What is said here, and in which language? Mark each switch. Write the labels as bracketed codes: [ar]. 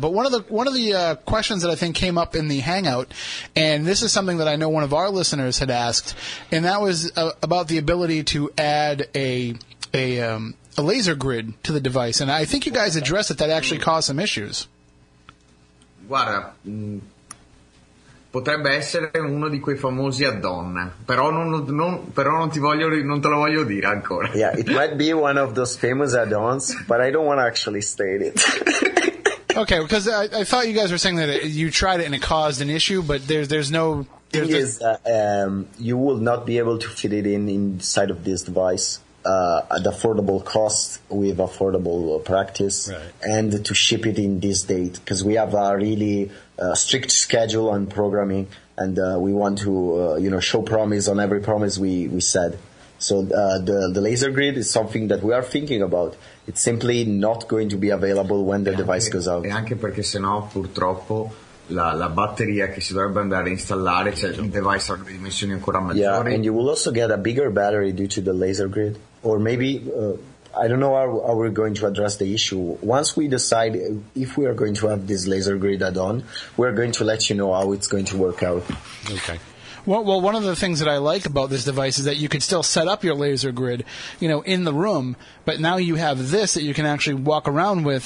[en] But one of the questions that I think came up in the Hangout, and this is something that I know one of our listeners had asked, and that was about the ability to add a laser grid to the device. And I think you guys addressed that actually caused some issues. [it] Guarda... potrebbe essere uno di quei famosi add-on, però non te lo voglio dire ancora. [en] Yeah, it might be one of those famous add-ons, but I don't want to actually state it. Okay, because I thought you guys were saying that you tried it and it caused an issue, but there's no... The thing is, you will not be able to fit it in inside of this device at affordable cost with affordable practice, right. And to ship it in this date, because we have a really... strict schedule on programming, and we want to show promise on every promise we said. So the laser grid is something that we are thinking about. It's simply not going to be available when the device goes out. [it] E anche perché sennò purtroppo la batteria che si dovrebbe andare a installare, cioè il device avrà dimensioni ancora maggiori. [en] Yeah, and you will also get a bigger battery due to the laser grid, or maybe I don't know how we're going to address the issue. Once we decide if we are going to have this laser grid add-on, we're going to let you know how it's going to work out. Okay. Well, one of the things that I like about this device is that you could still set up your laser grid, you know, in the room, but now you have this that you can actually walk around with.